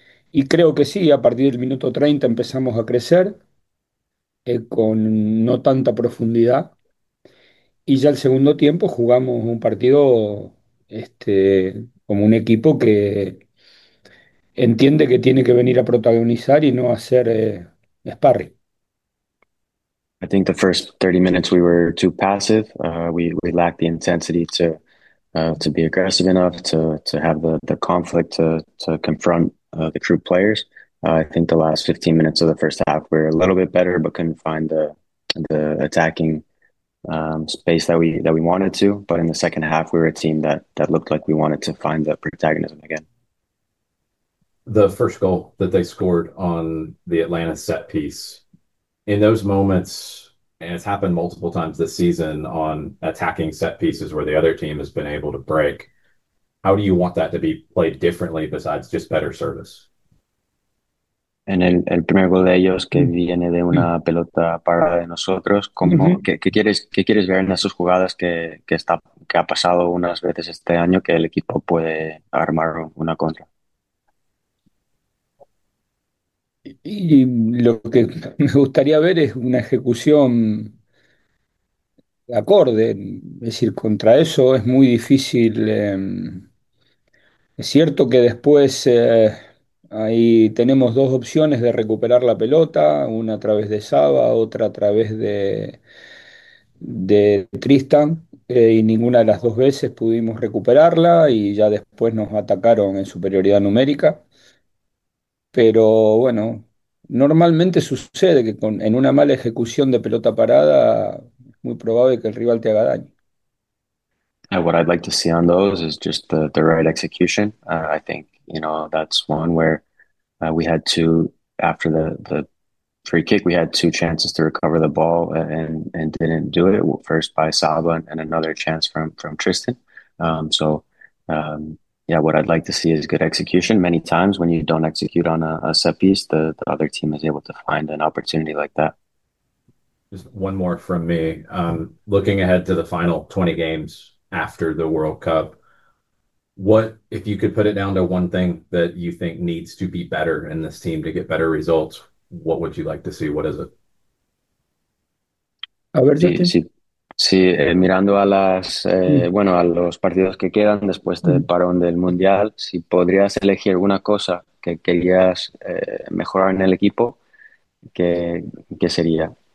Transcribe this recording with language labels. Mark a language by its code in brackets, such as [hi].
[es] Y creo que sí, a partir del minuto 30 empezamos a crecer con no tanta profundidad. Y ya el segundo tiempo jugamos un partido como un equipo que entiende que tiene que venir a protagonizar y no a ser sparring. [en] I think the first 30 minutes we were too passive. We lacked the intensity to be aggressive enough to have the conflict to confront the true players. I think the last 15 minutes of the first half were a little bit better, but couldn't find the attacking space that we wanted to. But in the second half, we were a team that looked like we wanted to find the protagonism again. The first goal that they scored on the Atlanta set piece, in those moments, and it's happened multiple times this season on attacking set pieces where the other team has been able to break, how do you want that to be played differently besides just better service? [es] En el primer gol de ellos que viene de una pelota parada de nosotros, como qué quieres ver en esas jugadas que ha pasado unas veces este año que el equipo puede armar una contra. Y lo que me gustaría ver es una ejecución acorde, es decir, contra eso es muy difícil. Es cierto que después ahí tenemos dos opciones de recuperar la pelota, una a través de Saba, otra a través de Tristan, y ninguna de las dos veces pudimos recuperarla y ya después nos atacaron en superioridad numérica. Pero bueno, normalmente sucede que en una mala ejecución de pelota parada, muy probable que el rival te haga daño. [en] And what I'd like to see on those is just the right execution. I think, you know, that's one where we had two, after the free kick, we had two chances to recover the ball and didn't do it. First by Saba and another chance from Tristan. Yeah, what I'd like to see is good execution. Many times when you don't execute on a set piece, the other team is able to find an opportunity like that. Just one more from me. Looking ahead to the final 20 games after the World Cup, what if you could put it down to one thing that you think needs to be better in this team to get better results, what would you like to see? What is it? [es] A ver, sí, mirando a las bueno, a los partidos que quedan después del parón del Mundial, si podrías elegir alguna cosa que querías mejorar en el equipo, ¿qué sería?